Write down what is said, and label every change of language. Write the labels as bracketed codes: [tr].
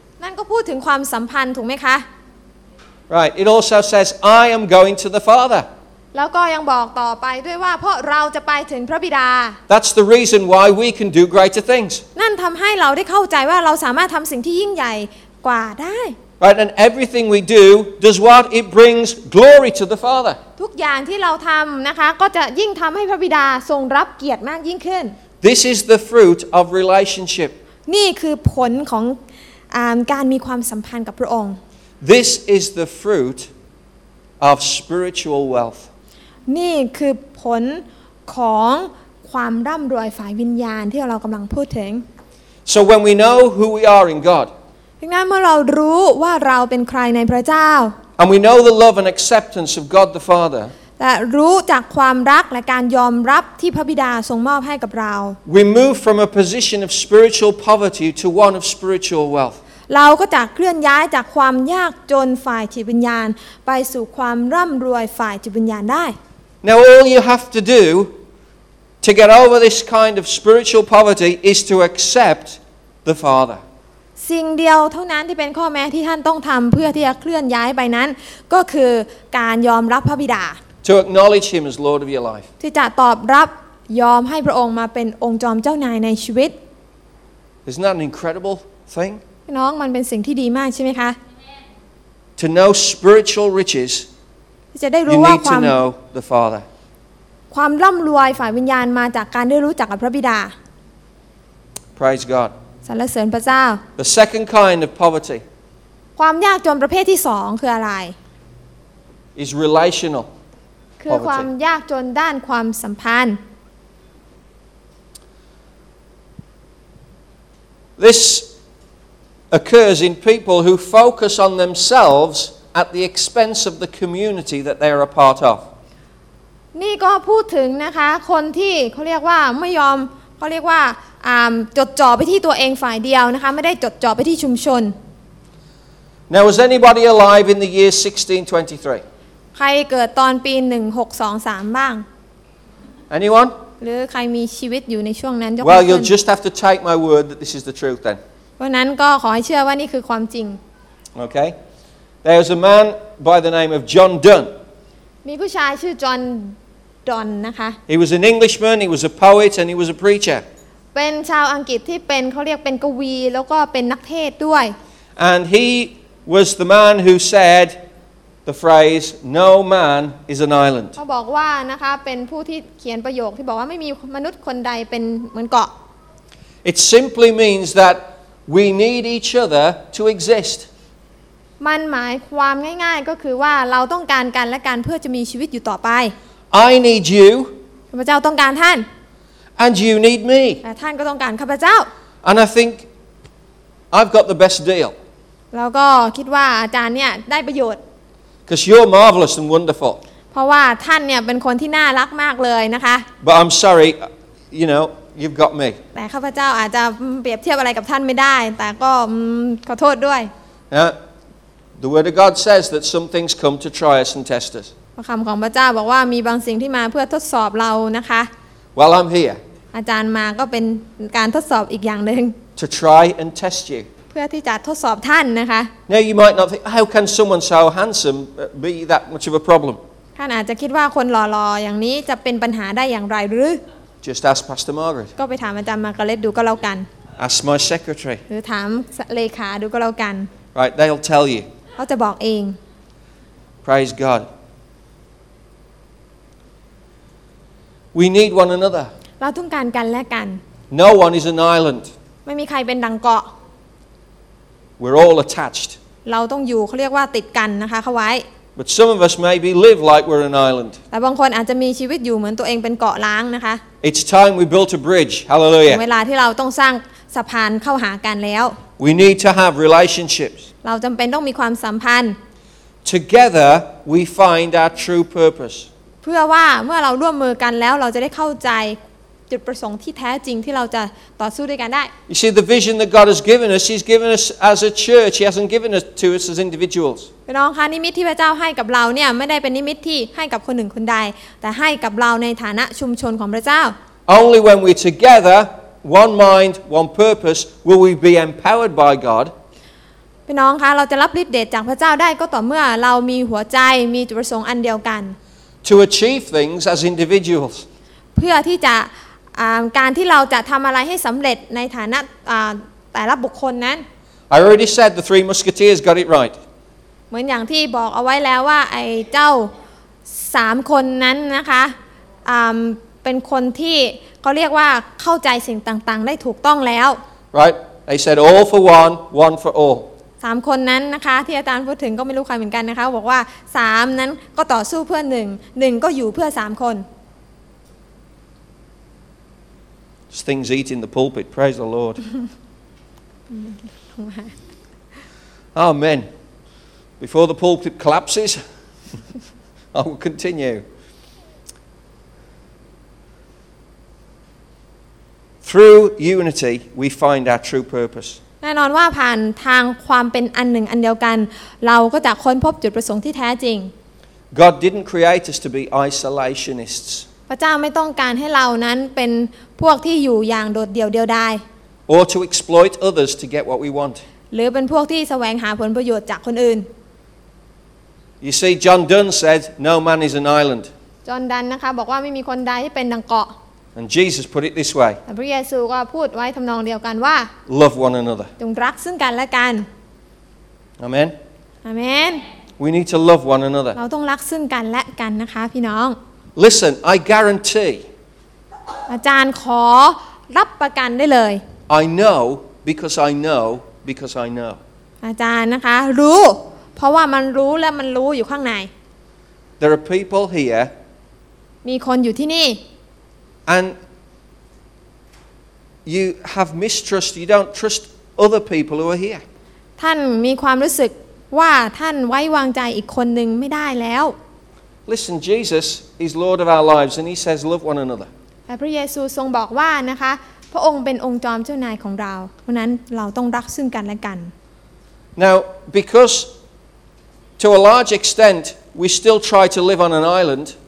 [th] นั่นก็พูดถึงความสัมพันธ์ถูกไหมคะ [en] Right, it also says, I am going to the Father. [th] แล้วก็ยังบอกต่อไปด้วยว่าเพราะเราจะไปถึงพระบิดา [en] That's the reason why we can do greater things. [th] นั่นทำให้เราได้เข้าใจว่าเราสามารถทำสิ่งที่ยิ่งใหญ่กว่าได้ [en] Right, and everything we do does what? It brings glory to the Father. [th] ทุกอย่างที่เราทำนะคะก็จะยิ่งทำให้พระบิดาทรงรับเกียรติมากยิ่งขึ้น [en] This is the fruit of relationship. [th] นี่คือผลของการมีความสัมพันธ์กับพระองค์ [en] This is the fruit of spiritual wealth. [th] นี่คือผลของความร่ำรวยฝ่ายวิญญาณที่เรากำลังพูดถึง [en] So when we know who we are in God. [th] ดังนั้นเมื่อเรารู้ว่าเราเป็นใครในพระเจ้า [en] And we know the love and acceptance of God the Father [th] และรู้จากความรักและการยอมรับที่พระบิดาทรงมอบให้กับเรา [en] We move from a position of spiritual poverty to one of spiritual wealth [th] เราก็จะเคลื่อนย้ายจากความยากจนฝ่ายจิตวิญญาณไปสู่ความร่ำรวยฝ่ายจิตวิญญาณได้ [en] Now all you have to do to get over this kind of spiritual poverty is to accept the Father [th] สิ่งเดียวเท่านั้นที่เป็นข้อแม้ที่ท่านต้องทำเพื่อที่จะเคลื่อนย้ายไปนั้นก็คือการยอมรับพระบิดา [en] To acknowledge him as Lord of your life [th] ที่จะตอบรับยอมให้พระองค์มาเป็นองค์จอมเจ้านายในชีวิต [en] Isn't that an incredible thing [th] น้องมันเป็นสิ่งที่ดีมากใช่ไหมคะ [en] To know spiritual riches [th] จะได้รู้ว่า [en] to know the Father [th] ความร่ำรวยฝ่ายวิญญาณมาจากการได้รู้จักกับพระบิดา [en] Praise God [th] สรรเสริญพระเจ้า [en] The second kind of poverty [th] ความยากจนประเภทที่สองคืออะไร [en] is relational poverty [th] คือความยากจนด้านความสัมพันธ์ [en] This occurs in people who focus on themselves at the expense of the community that they are a part of [th] นี่ก็พูดถึงนะคะคนที่เขาเรียกว่าไม่ยอมเขาเรียกว่าจดจ่อไปที่ตัวเองฝ่ายเดียวนะคะไม่ได้จดจ่อไปที่ชุมชน [en] Now was anybody alive in the year 1623? [th] ใครเกิดตอนปี1623บ้าง [en] Anyone? [th] หรือใครมีชีวิตอยู่ในช่วงนั้นยกมือ [en] Well you'll just have to take my word that this is the truth then [th] เพราะนั้นก็ขอให้เชื่อว่านี่คือความจริง [en] Okay There was a man by the name of John Donne. [th] มีผู้ชายชื่อจอห์นดอนนะคะ [en] He was an Englishman, he was a poet and he was a preacher. [th] เป็นชาวอังกฤษที่เป็นเขาเรียกเป็นกวีแล้วก็เป็นนักเทศด้วย [en] And he was the man who said the phrase no man is an island. [th] เขาบอกว่านะคะเป็นผู้ที่เขียนประโยคที่บอกว่าไม่มีมนุษย์คนใดเป็นเหมือนเกาะ [en] It simply means that we need each other to exist. [th] มันหมายความง่ายๆก็คือว่าเราต้องการกันและกันเพื่อจะมีชีวิตอยู่ต่อไป [en] I need you [th] พระเจ้าต้องการท่าน [en] And you need me [th] ท่านก็ต้องการข้าพเจ้า [en] And I think I've got the best deal [th] แล้วก็คิดว่าอาจารย์เนี่ยได้ประโยชน์ [en] Because you're marvelous and wonderful [th] เพราะว่าท่านเนี่ยเป็นคนที่น่ารักมากเลยนะคะ [en] But I'm sorry you know you've got me [th] แต่ข้าพเจ้าอาจจะเปรียบเทียบอะไรกับท่านไม่ได้แต่ก็ขอโทษด้วย [en] Yeah. The word of God says that some things come to try us and test us. [th] พระคำของพระเจ้าบอกว่ามีบางสิ่งที่มาเพื่อทดสอบเรานะคะ [en] Well, I'm here. [th] อาจารย์มาก็เป็นการทดสอบอีกอย่างนึง [en] To try and test you. [th] เพื่อที่จะทดสอบท่านนะคะ [en] Now you might not think, how can someone so handsome be that much of a problem? [th] ท่านอาจจะคิดว่าคนหล่อๆอย่างนี้จะเป็นปัญหาได้อย่างไรหรือ [en] Just ask Pastor Margaret. [th] ก็ไปถามอาจารย์มาร์กาเร็ตดูก็แล้วกัน [en] Ask my secretary. [th] หรือถามเลขาดูก็แล้วกัน [en] Right, they'll tell you. [th] เขาจะบอกเอง [en] Praise God. We need one another. [th] เราต้องการกันและกัน [en] No one is an island. [th] ไม่มีใครเป็นดังเกาะ [en] We're all attached. [th] เราต้องอยู่เขาเรียกว่าติดกันนะคะเข้าไว้ [en] But some of us maybe live like we're an island. [th] แต่บางคนอาจจะมีชีวิตอยู่เหมือนตัวเองเป็นเกาะร้างนะคะ [en] It's time we built a bridge. Hallelujah. [th] เวลาที่เราต้องสร้างสะพานเข้าหากันแล้ว [en] We need to have relationships. [th] เราจำเป็นต้องมีความสัมพันธ์ [en] Together we find our true purpose [th] เพื่อว่าเมื่อเราร่วมมือกันแล้วเราจะได้เข้าใจจุดประสงค์ที่แท้จริงที่เราจะต่อสู้ด้วยกันได้ [en] You see the vision that God has given us He's given us as a church He hasn't given us to us as individuals [th] พี่น้องคะนิมิตที่พระเจ้าให้กับเราเนี่ยไม่ได้เป็นนิมิตที่ให้กับคนหนึ่งคนใดแต่ให้กับเราในฐานะชุมชนของพระเจ้า [en] Only when we're together one mind one purpose will we be empowered by God [th] พี่น้องคะเราจะรับฤทธิ์เดชจากพระเจ้าได้ก็ต่อเมื่อเรามีหัวใจมีจุดประสงค์อันเดียวกัน [en] To achieve things as individuals [th] เพื่อที่จะการที่เราจะทำอะไรให้สำเร็จในฐานะแต่ละบุคคลนั้น [en] I already said the three musketeers got it right [th] เหมือนอย่างที่บอกเอาไว้แล้วว่าไอ้เจ้า3คนนั้นนะคะเป็นคนที่เขาเรียกว่าเข้าใจสิ่งต่างๆได้ถูกต้องแล้ว [en] Right they said all for one one for all [th] 3คนนั้นนะคะที่อาจารย์พูดถึงก็ไม่รู้ใครเหมือนกันนะคะบอกว่า3นั้นก็ต่อสู้เพื่อ1 1ก็อยู่เพื่อ3คน [en] Things eat in the pulpit praise the lord Amen Before the pulpit collapses I will continue Through unity we find our true purpose [th] แน่นอนว่าผ่านทางความเป็นอันหนึ่งอันเดียวกันเราก็จะค้นพบจุดประสงค์ที่แท้จริง [en] God didn't create us to be isolationists [th] พระเจ้าไม่ต้องการให้เรานั้นเป็นพวกที่อยู่อย่างโดดเดี่ยวเดียวดาย [en] Or to exploit others to get what we want [th] หรือเป็นพวกที่แสวงหาผลประโยชน์จากคนอื่น [en] You see John Donne said no man is an island [th] John Donne นะคะบอกว่าไม่มีคนใดที่เป็นดังเกาะ [en] And Jesus put it this way. [th] พระเยซูก็พูดไว้ทํานองเดียวกันว่า [en] Love one another. [th] จงรักซึ่งกันและกัน [en] Amen. Amen. We need to love one another. [th] เราต้องรักซึ่งกันและกันนะคะพี่น้อง [en] Listen, I guarantee. [th] อาจารย์ขอรับประกันได้เลย [en] I know because I know because I know. [th] อาจารย์นะคะรู้เพราะว่ามันรู้และมันรู้อยู่ข้างใน [en] There are people here. [th] มีคนอยู่ที่นี่ [en] And you have mistrust. You don't trust other people who are here. [th] ท่านมีความรู้สึกว่าท่านไว้วางใจอีกคนหนึ่งไม่ได้แล้ว [en] Listen, Jesus is Lord of our lives, and He says, "Love one another." [th] พระเยซูทรงบอกว่านะคะพระองค์เป็นองค์จอมเจ้านายของเราเพราะนั้นเราต้องรักซึ่งกันและกัน [en] Now, because to a large extent we still try to live on an island.